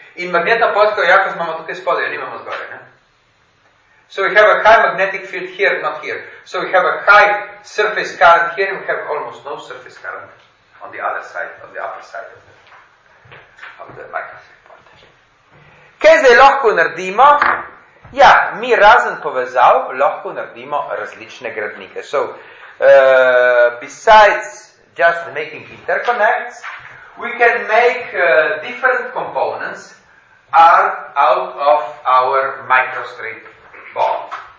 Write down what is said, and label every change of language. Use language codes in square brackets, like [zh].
[sl] In magnetna polska jakost imamo tukaj spodaj, nimamo zgore. Ne? [en] So we have a high magnetic field here, not here. So we have a high surface current here, and we have almost no surface current on the other side, on the upper side of the microstrip point. [sl] Kaj zdaj lahko naredimo? Ja, mi razen povezav lahko naredimo različne gradnike. [en] So, besides just making interconnects, we can make different components out of our microstrip bomb.